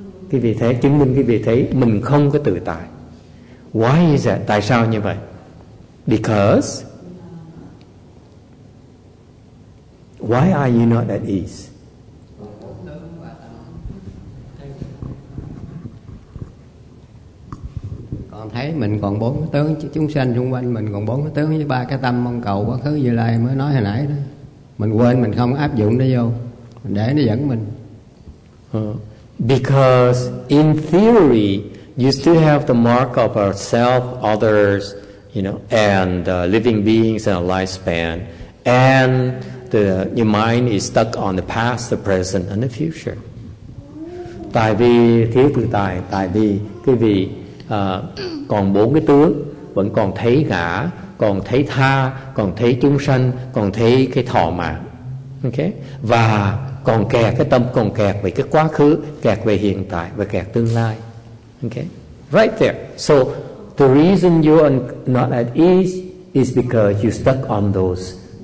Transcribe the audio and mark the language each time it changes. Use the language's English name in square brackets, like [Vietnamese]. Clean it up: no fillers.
[Vietnamese] Cái vị thế chứng minh cái vị thế mình không có tự tại. [English] Why is that? [Vietnamese] Tại sao như vậy? [English] Because why are you not at ease? [Vietnamese] Còn thấy mình còn bốn cái tướng chúng sanh xung quanh mình còn bốn cái tướng với ba cái tâm mong cầu quá khứ vừa lai mới nói hồi nãy đó. Mình quên mình không áp dụng nó vô, mình để nó dẫn mình. [English] Because in theory you still have the mark of ourself, others, you know, and living beings and a lifespan. And your mind is stuck on the past, the present, and the future. [Vietnamese] Tại vì thiếu tự tại, tại vì cái vị còn bốn cái tướng, vẫn còn thấy ngã, còn thấy tha, còn thấy chúng sanh, còn thấy cái thọ mạng. Okay? Và còn kẹt, cái tâm còn kẹt về cái quá khứ, kẹt về hiện tại và kẹt tương lai. [English] Okay, right there. So the reason you're not at ease is because you stuck on those.